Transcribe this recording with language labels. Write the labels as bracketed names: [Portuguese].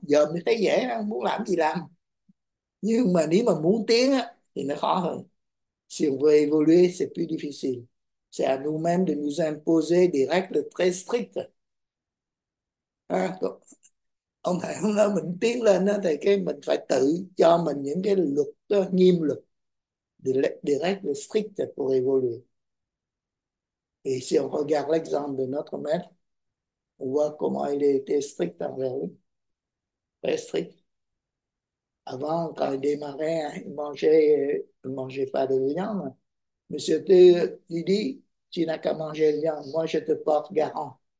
[Vietnamese] Giờ mình thấy dễ, muốn làm gì làm. Nhưng mà nếu mà muốn tiến á, thì nó khó hơn. [French] Si on veut évoluer, c'est plus difficile. C'est à nous-mêmes de nous imposer des règles très strictes. [Vietnamese] À, ông thầy không nói mình tiến lên đó, thì cái mình phải tự cho mình những cái luật đó, nghiêm luật [French] des règles strictes pour évoluer. Et si on regarde l'exemple de notre maître, on voit comment il était strict envers lui. Très strict. Avant, quand il démarrait, il mangeait pas de viande. Monsieur T, il dit, tu n'as qu'à manger de viande. Moi, je te porte garant.